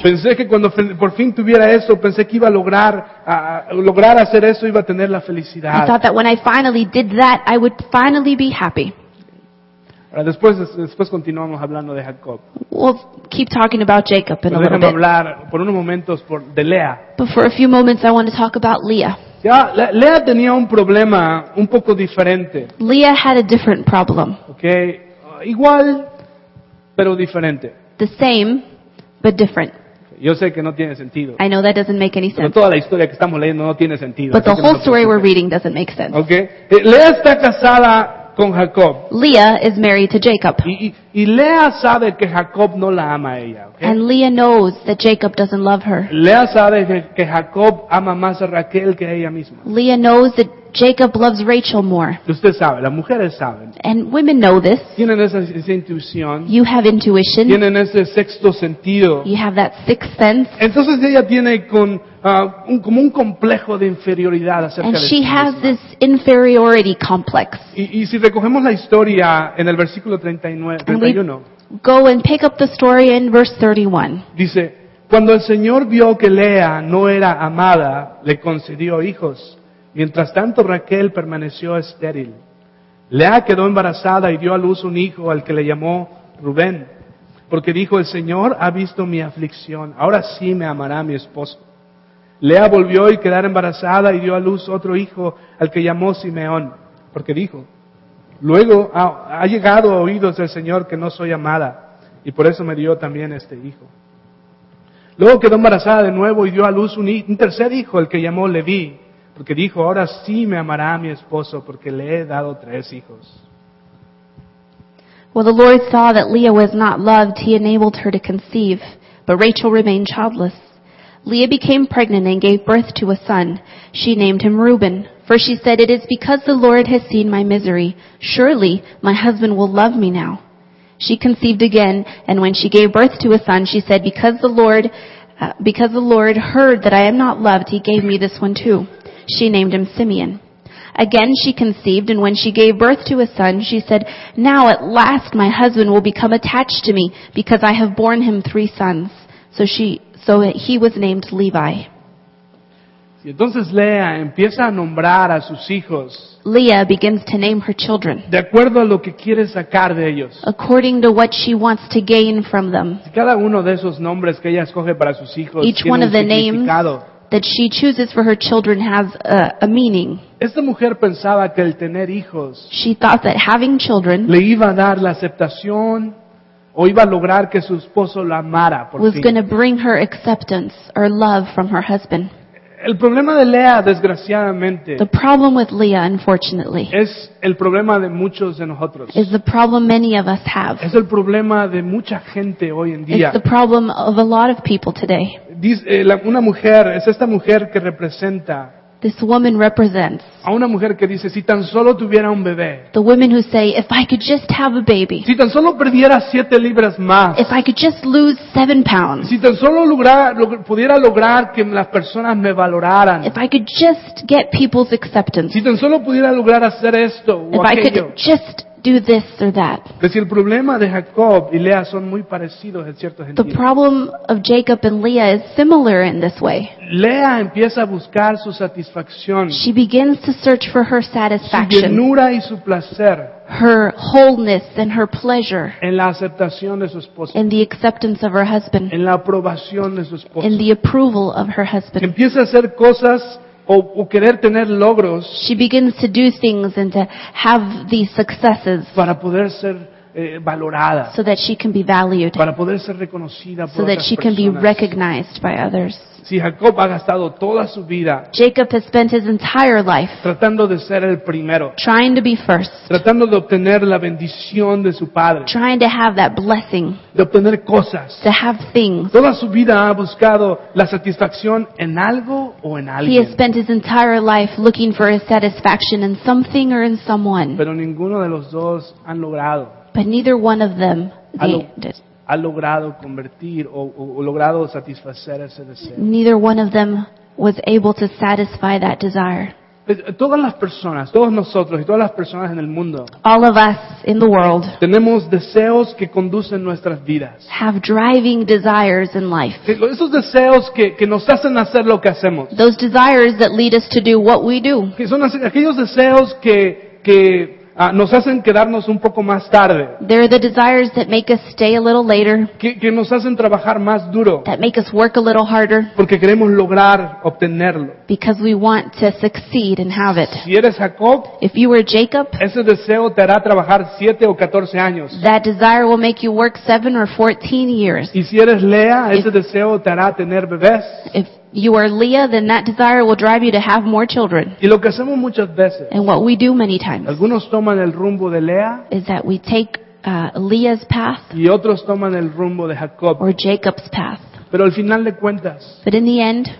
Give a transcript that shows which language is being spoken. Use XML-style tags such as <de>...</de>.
<es>Pensé que cuando por fin tuviera eso, pensé que iba a lograr hacer eso iba a tener la felicidad.</es> <en>I thought that when I finally did that, I would finally be happy.</en> <es>Ahora después continuamos hablando de Jacob.</es> <en>We'll keep talking about Jacob in a little bit.</en> <es>Déjame hablar por unos momentos de Lea.</es> <en>But for a few moments I want to talk about Leah.</en> <es>Ya, Lea tenía un problema un poco diferente.</es> <en>Leah had a different problem.</en> <es>Okay. Igual, pero diferente.</es> <en>The same, but different.</en> <es>Yo sé que no tiene sentido.</es> <en>I know that doesn't make any sense.</en> <es>Pero toda la historia que estamos leyendo no tiene sentido.</es> <en>But the whole story we're reading doesn't make sense.</en> <es>Okay. Lea está casada con Jacob.</es> <en>Leah is married to Jacob.</en> <es>Y Lea sabe que Jacob no la ama a ella, okay?</es> <en>And Leah knows that Jacob doesn't love her.</en> <es>Lea sabe que Jacob ama más a Raquel que a ella misma.</es> <en>Leah knows that Jacob loves Rachel more.</en> <es>Usted sabe, las mujeres saben.</es> <en>And women know this.</en> <es>Tienen esa intuición.</es> <en>You have intuition.</en> <es>Tienen ese sexto sentido.</es> <en>You have that sixth sense.</en> <es>Entonces ella tiene como un complejo de inferioridad acerca</es> <en>and</en> <es>de</es> <en>she</en> <es>sí</es> <en>has</en> <es>misma.</es> <en>This inferiority complex.</en> <es>Y si recogemos la historia en el versículo 31.</es> <en>Go and pick up the story in verse 31.</en> <es>Dice, cuando el Señor vio que Lea no era amada, le concedió hijos. Mientras tanto, Raquel permaneció estéril. Lea quedó embarazada y dio a luz un hijo al que le llamó Rubén. Porque dijo, el Señor ha visto mi aflicción. Ahora sí me amará mi esposo. Lea volvió y quedó embarazada y dio a luz otro hijo al que llamó Simeón. Porque dijo, luego ha llegado a oídos del Señor que no soy amada. Y por eso me dio también este hijo. Luego quedó embarazada de nuevo y dio a luz un tercer hijo, el que llamó Leví. Porque dijo, ahora sí me amará mi esposo, porque le he dado tres hijos.</es> <en>Well, the Lord saw that Leah was not loved. He enabled her to conceive, but Rachel remained childless. Leah became pregnant and gave birth to a son. She named him Reuben, for she said, it is because the Lord has seen my misery. Surely my husband will love me now. She conceived again, and when she gave birth to a son, she said, because the Lord heard that I am not loved, he gave me this one too. She named him Simeon. Again she conceived, and when she gave birth to a son, she said, now at last my husband will become attached to me, because I have borne him three sons. So he was named Levi.</en> <es>Entonces Lea empieza a nombrar a sus hijos.</es> <en>Leah begins to name her children.</en> <es>De acuerdo a lo que quiere sacar de ellos.</es> <en>According to what she wants to gain from them.</en> <es>Cada uno de esos nombres que ella escoge para sus hijos tiene un significado.</es> <en>Each one of the names that she chooses for her children has a meaning.</en> <es>Esta mujer pensaba que el tener hijos,</es> <en>she thought that having children,</en> <es>le iba a dar la aceptación o iba a lograr que su esposo la amara por</es> <en>was</en> <es>fin.</es> <en>Going to bring her acceptance or love from her husband.</en> <es>El problema de Lea, desgraciadamente,</es> <en>the problem with Leah, unfortunately,</en> <es>es el problema de muchos de nosotros.</es> <en>Is the problem many of us have.</en> <es>Es el problema de mucha gente hoy en día.</es> <en>It's the problem of a lot of people today.</en> <es>Dice, una mujer, es esta mujer que representa</es> <en>This woman represents</en> <es>a una mujer que dice, si tan solo tuviera un bebé,</es> <en>the women who say, if I could just have a baby,</en> <es>si tan solo perdiera 7 libras más,</es> <en>if I could just lose 7 pounds,</en> <es>si tan solo pudiera lograr que las personas me valoraran,</es> <en>if I could just get people's acceptance,</en> <es>si tan solo pudiera lograr hacer esto o</es> <en>if</en> <es>aquello,</es> <en>I could just do this or that.</en> <es>El problema de Jacob y Lea son muy parecidos en cierto sentido.</es> <en>The problem of Jacob and Leah is similar in this way.</en> <es>Lea empieza a buscar su satisfacción.</es> <en>She begins to search for her satisfaction.</en> <es>Su llenura y su placer.</es> <en>Her wholeness and her pleasure.</en> <es>En la aceptación de su esposo.</es> <en>In the acceptance of her husband.</en> <es>En la aprobación de su esposo.</es> <en>In the approval of her husband.</en> <es>Empieza a hacer cosas o querer tener logros.</es> <en>She begins to do things and to have these successes.</en> <es>Para poder ser valorada.</es> <en>So that she can be valued.</en> <es>Para poder ser reconocida por</es> <en>so that she</en> <es>personas.</es> <en>Can be recognized by others.</en> <es>Si Jacob ha gastado toda su vida.</es> <en>Jacob has spent his entire life.</en> <es>Tratando de ser el primero.</es> <en>Trying to be first.</en> <es>Tratando de obtener la bendición de su padre.</es> <en>Trying to have that blessing.</en> <es>De obtener cosas.</es> <en>To have things.</en> <es>Toda su vida ha buscado la satisfacción en algo o en alguien.</es> <en>He has spent his entire life looking for his satisfaction in something or in someone.</en> <es>Pero ninguno de los dos han logrado.</es> <en>But neither one of them did.</en> <es>Ha logrado convertir o logrado satisfacer ese deseo.</es> <en>Neither one of them was able to satisfy that desire.</en> <es>Todas las personas, todos nosotros y todas las personas en el mundo,</es> <en>all of us in the world,</en> <es>tenemos deseos que conducen nuestras vidas.</es> <en>Have driving desires in life.</en> <es>Esos deseos que nos hacen hacer lo que hacemos.</es> <en>Those desires that lead us to do what we do.</en> <es>Que son aquellos deseos que nos hacen quedarnos un poco más tarde.</es> <en>They're the desires that make us stay a little later.</en> <es>Que nos hacen trabajar más duro.</es> <en>That make us work a little harder.</en> <es>Porque queremos lograr obtenerlo.</es> <en>Because we want to succeed and have it.</en> <es>Si eres Jacob,</es> <en>if you were Jacob,</en> <es>ese deseo te hará trabajar 7 o 14 años.</es> <en>That desire will make you work 7 or 14 years.</en> <es>Y si eres Lea, ese deseo te hará tener bebés.</es> <en>If you are Leah, then that desire will drive you to have more children.</en> <es>Y lo que hacemos muchas veces,</es> <en>and what we do many times,</en> <es>algunos toman el rumbo de Lea,</es> <en>is that we take Leah's path,</en> <es>y otros toman el rumbo de Jacob,</es> <en>or Jacob's path.</en> <es>Pero al final de cuentas,</es> <en>but in the end,</en>